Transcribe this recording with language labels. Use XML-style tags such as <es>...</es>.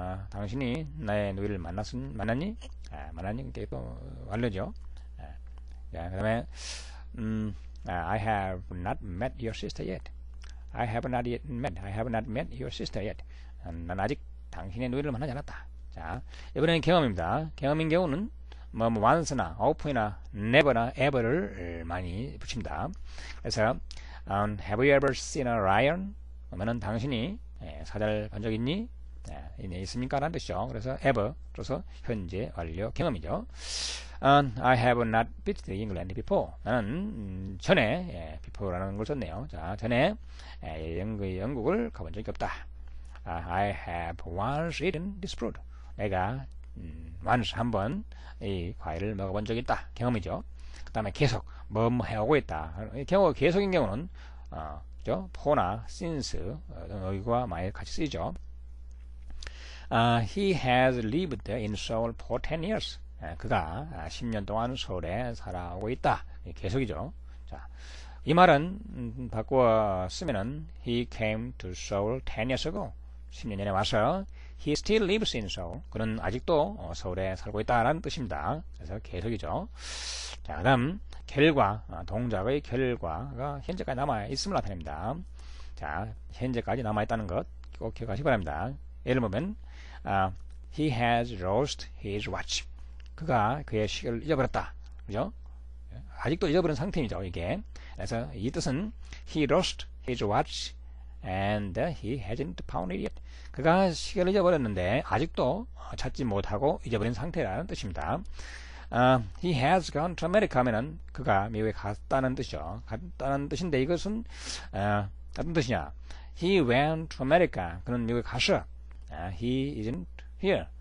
<ko>당신이 나의 누이를 만났니? 만났니? 이게 또 완료죠. 자, 그다음에</ko> <en>I have not met your sister yet. I have not met your sister yet.</en> <ko>난 아직 당신의 누이를 만나지 않았다. 자, 이번에는 경험입니다. 경험인 경우는 뭐 once나 often이나 never나 ever를 많이 붙입니다. 그래서</ko> <en>have you ever seen a lion?</en> <ko>그러면은 당신이 예, 사자를 본적 있니? 예, 있습니까? 라는 뜻이죠. 그래서 ever, 그래서 현재 완료 경험이죠.</ko> <en>I have not been to England before.</en> <ko>나는 전에 예, before라는 걸 썼네요. 자, 전에 영국을 가본 적이 없다.</ko> <en>I have once eaten this fruit.</en> <ko>내가 once 한번 이 과일을 먹어본 적이 있다. 경험이죠. 그 다음에 계속 뭐뭐 해오고 있다. 경우가 계속인 경우는 for나 since 여기와 많이 같이 쓰이죠.</ko> <en>He has lived in Seoul for 10 years.</en> <ko>그가 10년 동안 서울에 살아오고 있다. 계속이죠. 자, 이 말은 바꿔 쓰면은</ko> <en>He came to Seoul 10 years ago.</en> <ko>10년 전에 와서</ko> <en>he still lives in Seoul.</en> <ko>그는 아직도 서울에 살고 있다라는 뜻입니다. 그래서 계속이죠. 자, 그다음 결과, 동작의 결과가 현재까지 남아 있음을 나타냅니다. 자, 현재까지 남아 있다는 것 꼭 기억하시기 바랍니다. 예를 보면</ko> <en>he has lost his watch.</en> <ko>그가 그의 시계를 잃어버렸다. 그죠? 아직도 잃어버린 상태이죠, 이게.</ko> <en>그래서 이 뜻은 he lost his watch and he hasn't found it yet.</en> <ko>그가 시계를 잃어버렸는데 아직도 찾지 못하고 잃어버린 상태라는 뜻입니다.</ko> <en>He has gone to America</en> <ko>하면은 그가 미국에 갔다는 뜻이죠. 갔다는 뜻인데 이것은 어떤 뜻이냐?</ko> <en>He went to America.</en> <ko>그는 미국에 가서</ko> <en>he isn't here.</en>